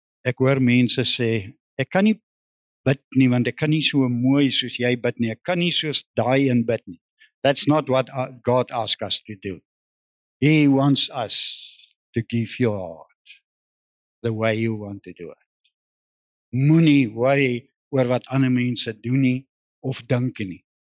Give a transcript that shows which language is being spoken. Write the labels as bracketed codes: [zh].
[af] Ek hoor mense sê, ek kan nie bid nie, want ek kan nie so mooi soos jy bid nie. Ek kan nie soos daai een bid nie. [en] That's not what God asks us to do. He wants us to give your heart the way you want to do it. [af] Moenie worry oor wat ander mense doen nie of dink nie.